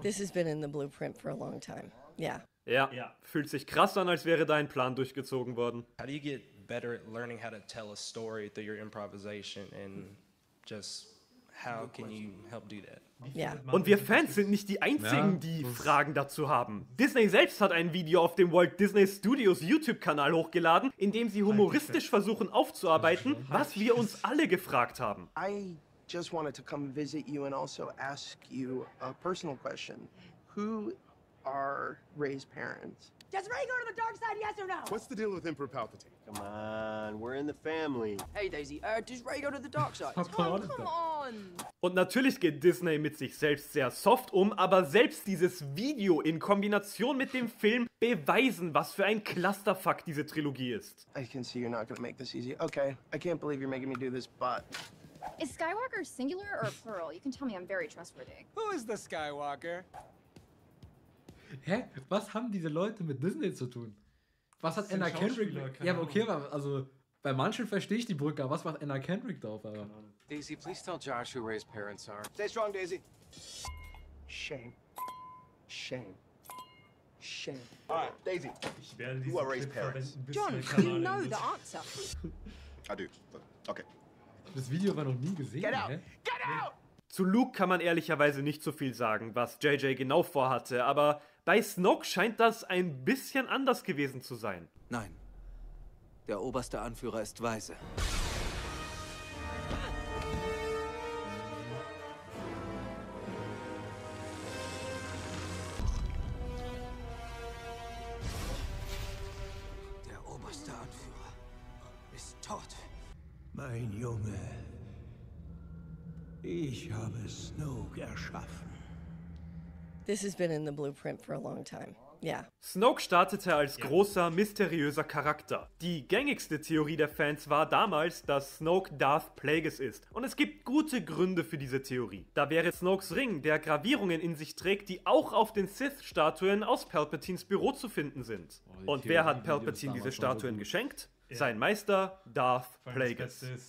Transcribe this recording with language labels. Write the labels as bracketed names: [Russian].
[English] This has been in the blueprint for a long time. Yeah. [German] Ja. Ja. Fühlt sich krass an, als wäre dein Plan durchgezogen worden. [English] How do you get better at learning how to tell a story through your improvisation and just how can you help do that? Yeah. [German] Und wir Fans sind nicht die einzigen, die Fragen dazu haben. Disney selbst hat ein Video auf dem Walt Disney Studios YouTube-Kanal hochgeladen, in dem sie humoristisch versuchen aufzuarbeiten, was wir uns alle gefragt haben. [English] I just wanted to come visit you and also ask you a personal question. Who are Rey's parents? Does Rey go to the dark side, yes or no? What's the deal with Emperor Palpatine? Come on, we're in the family. Hey Daisy, does Rey go to the dark side? Come on! [German] Und natürlich geht Disney mit sich selbst sehr soft um, aber selbst dieses Video in Kombination mit dem Film beweisen, was für ein Clusterfuck diese Trilogie ist. [English] I can see you're not gonna make this easy. Okay, I can't believe you're making me do this, but... Is Skywalker singular or plural? You can tell me, I'm very trustworthy. Who is the Skywalker? Hä? [German] Was haben diese Leute mit Disney zu tun? Was hat Anna Kendrick... Ja, okay, also bei manchen verstehe ich die Brücke, aber was macht Anna Kendrick drauf? Aber? [English] Daisy, please tell Josh who Ray's parents are. Stay strong, Daisy. Shame. Shame. Shame. Alright, Daisy. Who are Ray's parents? John, you know the answer. I do. Okay. [German] Das Video war noch nie gesehen, [English] Get out! Hä? Get out! [German] Zu Luke kann man ehrlicherweise nicht so viel sagen, was JJ genau vorhatte, aber bei Snoke scheint das ein bisschen anders gewesen zu sein. Nein. Der oberste Anführer ist weise. Der oberste Anführer ist tot. Mein Junge. Ich habe Snoke erschaffen. [English] This has been in the blueprint for a long time. Yeah. [German] Snoke startete als großer, mysteriöser Charakter. Die gängigste Theorie der Fans war damals, dass Snoke Darth Plagueis ist. Und es gibt gute Gründe für diese Theorie. Da wäre Snokes Ring, der Gravierungen in sich trägt, die auch auf den Sith-Statuen aus Palpatines Büro zu finden sind. Und wer hat Palpatine diese Statuen geschenkt? Sein Meister, Darth Plagueis.